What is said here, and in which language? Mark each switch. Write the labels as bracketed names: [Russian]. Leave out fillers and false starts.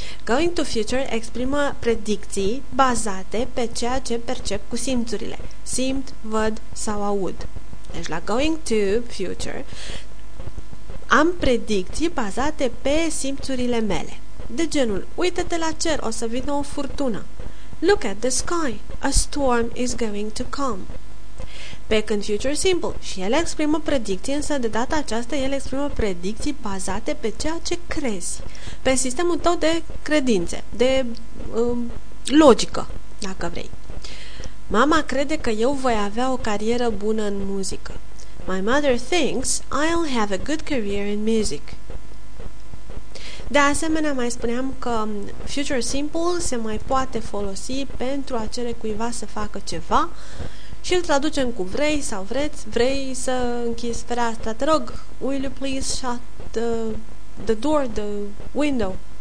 [Romanian] Going to future exprimă predicții bazate pe ceea ce percep cu simțurile. Simt, văd sau aud. Deci la going to future am predicții bazate pe simțurile mele. De genul, uită-te la cer, o să vină o furtună. [English] Look at the sky, a storm is going to come. [Romanian] Pe când future simple și el exprimă predicții, însă de data aceasta el exprimă predicții bazate pe ceea ce crezi. Pe sistemul tău de credințe, de logică, dacă vrei. Mama crede că eu voi avea o carieră bună în muzică. [English] My mother thinks I'll have a good career in music. [Romanian] De asemenea, mai spuneam că future simple se mai poate folosi pentru a cere cuiva să facă ceva și îl traducem cu vrei sau vreți, vrei să închizi fereastra, te rog, [English] will you please shut the door, the window?